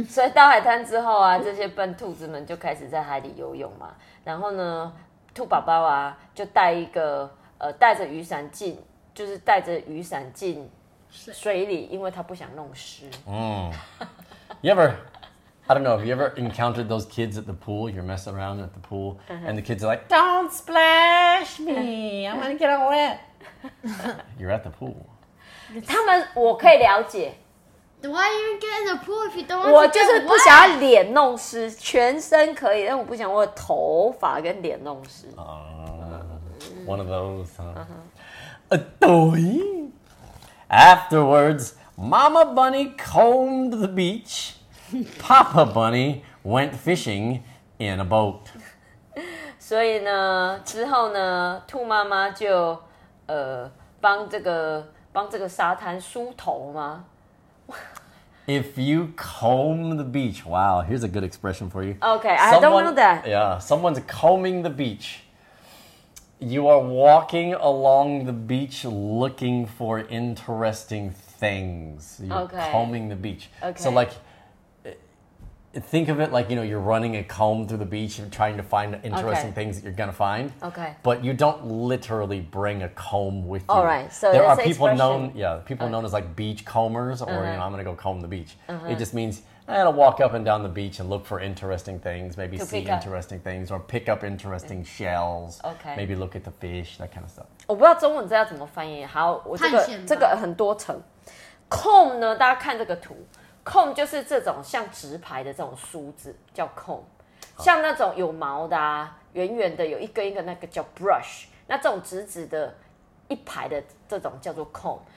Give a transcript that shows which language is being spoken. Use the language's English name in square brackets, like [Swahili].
[Chinese] 所以到海滩之后啊，这些笨兔子们就开始在海里游泳嘛。然后呢，兔宝宝啊，就带一个带着雨伞进，就是带着雨伞进水里，因为他不想弄湿。 [English] 嗯。You ever... I don't know, have you ever encountered those kids at the pool? You're messing around at the pool, uh-huh. and the kids are like, don't splash me, I'm gonna get all wet. You're at the pool. [Chinese] 他们我可以了解。 [English] Why you get in the pool if you don't want to get wet? [Chinese] 我就是不想要脸弄湿，全身可以，但我不想我的头发跟脸弄湿。 [English] One of those, huh? Uh-huh. Afterwards, Mama Bunny combed the beach. Papa Bunny went fishing in a boat. [Chinese] 所以呢，之后呢，兔妈妈就帮这个沙滩梳头吗？ [English] If you comb the beach, wow, here's a good expression for you. Okay, I don't know that. Yeah, someone's combing the beach. You are walking along the beach looking for interesting things. You're okay. combing the beach. Okay. So like,Think of it like, you know, you're running a comb through the beach and trying to find interesting okay. things that you're going to find. Okay. But you don't literally bring a comb with you. All right. So there are people known, yeah, people known as like beach combers or, uh-huh. you know, I'm going to go comb the beach. Uh-huh. It just means, I'll walk up and down the beach and look for interesting things, maybe to see interesting things or pick up interesting shells. Okay. Maybe look at the fish, that kind of stuff. [Chinese] 我不知道中文这要怎么翻译。好，我这个很多层。Comb 呢，大家看这个图。 Comb 就是这种像直排的这种梳子叫 comb， 像那种有毛的啊，圆圆的有一根一根那个叫 brush， 那这种直直的一排的这种叫做 comb。